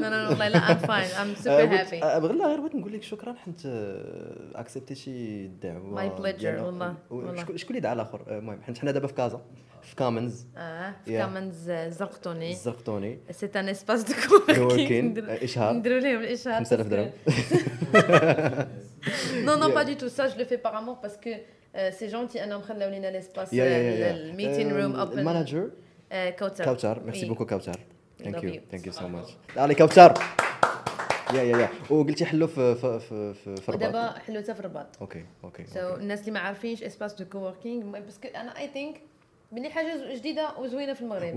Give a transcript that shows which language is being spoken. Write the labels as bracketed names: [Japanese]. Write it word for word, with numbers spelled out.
[Arabic] لا لا والله لا [English] I'm fine I'm super happy. [Arabic] غير لا غير بغيت نقول لك شكرا حيت اكسبتي شي دعوه. [English] My pleasure [Arabic] والله. شكون اللي دعا الاخر المهم حيت حنا دابا في كازا. في كامنز اه في كامنز زرقطوني زرقطوني [French] سيت ان اسباس دو كووركين [Arabic] اشهار نديرو لهم الاشهار خمسة آلاف درهم [French] non non pas du tout ça je le fais par amour parce que c'est gentil [Arabic] انا مخلاو لينا الاسباس الميتين روم اوبن المانجر كوتر كوتر [French] ميرسي بوكو [Arabic] كوتر [English] thank you thank you so much [Arabic] علي كوتر يا يا يا وقلتي حلو في في في في الرباط دابا حلوتها في الرباط اوكي اوكي سو الناس اللي ما عارفينش [French] اسباس دو كووركينغ باسكو [Arabic] انا [English] I think [Arabic] بني حاجه جديده وزوينه في المغرب